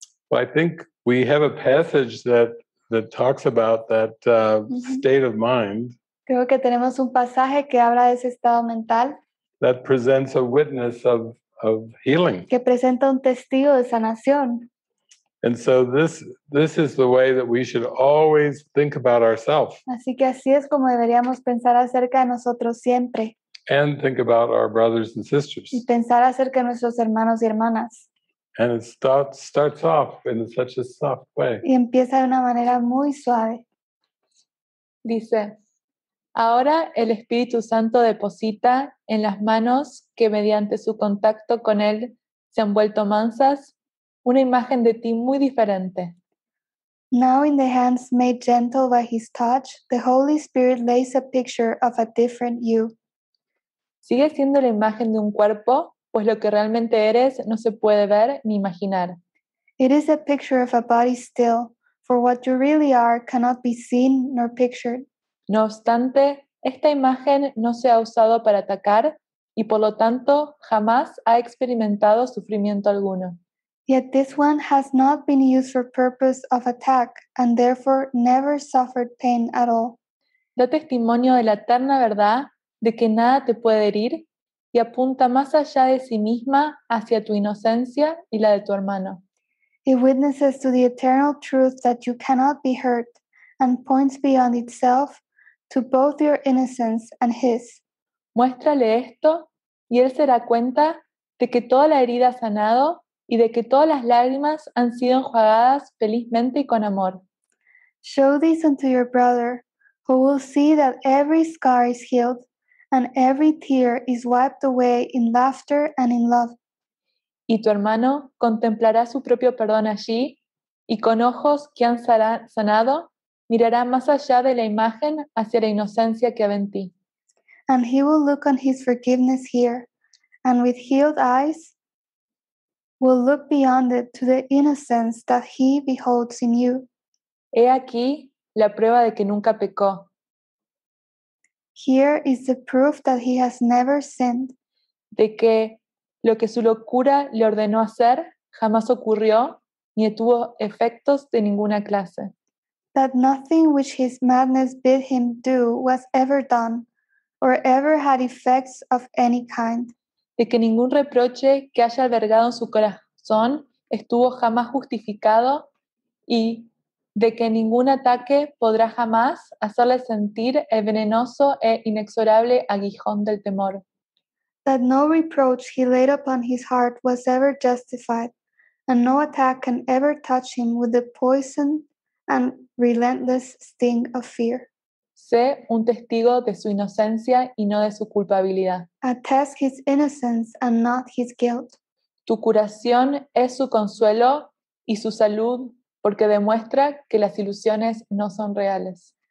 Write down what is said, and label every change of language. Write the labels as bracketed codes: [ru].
[en] Well, I think we have a passage that talks about that state of mind. [es] Creo que tenemos un pasaje que habla de ese estado mental. [en] That presents a witness of healing. [es] Que presenta un testigo de sanación. [en] And so this is the way that we should always think about ourselves. [es] Así que así es como deberíamos pensar acerca de nosotros siempre. [en] And think about our brothers and sisters. [es] Y pensar acerca de nuestros hermanos y hermanas. [en] And it starts off in such a soft way. [es] Y empieza de una manera muy suave. Dice, ahora el Espíritu Santo deposita en las manos que mediante su contacto con él se han vuelto mansas una imagen de ti muy diferente. [en] Now in the hands made gentle by his touch, the Holy Spirit lays a picture of a different you. [es] Sigue siendo la imagen de un cuerpo, pues lo que realmente eres no se puede ver ni imaginar. [en] It is a picture of a body still, for what you really are cannot be seen nor pictured. [es] No obstante, esta imagen no se ha usado para atacar y por lo tanto jamás ha experimentado sufrimiento alguno. [en] Yet this one has not been used for purpose of attack and therefore never suffered pain at all. [es] Da testimonio de la eterna verdad de que nada te puede herir y apunta más allá de sí misma hacia tu inocencia y la de tu hermano. [en] It witnesses to the eternal truth that you cannot be hurt and points beyond itself to both your innocence and his. [es] Muéstrale esto y él se dará cuenta de que toda la herida ha sanado y de que todas las lágrimas han sido enjuagadas felizmente y con amor. [en] Show this unto your brother, who will see that every scar is healed and every tear is wiped away in laughter and in love. [es] Y tu hermano contemplará su propio perdón allí y con ojos que han sanado mirará más allá de la imagen hacia la inocencia que había en ti. [en] And he will look on his forgiveness here, and with healed eyes will look beyond it to the innocence that he beholds in you. [es] He aquí la prueba de que nunca pecó. [en] Here is the proof that he has never sinned. [es] De que lo que su locura le ordenó hacer jamás ocurrió ni tuvo efectos de ninguna clase. [en] That nothing which his madness bid him do was ever done, or ever had effects of any kind. [es] De que ningún reproche que haya albergado en su corazón estuvo jamás justificado, y de que ningún ataque podrá jamás hacerle sentir el venenoso e inexorable aguijón del temor. [en] That no reproach he laid upon his heart was ever justified, and no attack can ever touch him with the poison and relentless sting of fear. [es] Sé un testigo de su inocencia y no de su culpabilidad. [en] Attest his innocence and not his guilt. [es] Tu curación es su consuelo y su salud, porque demuestra que las ilusiones no son reales.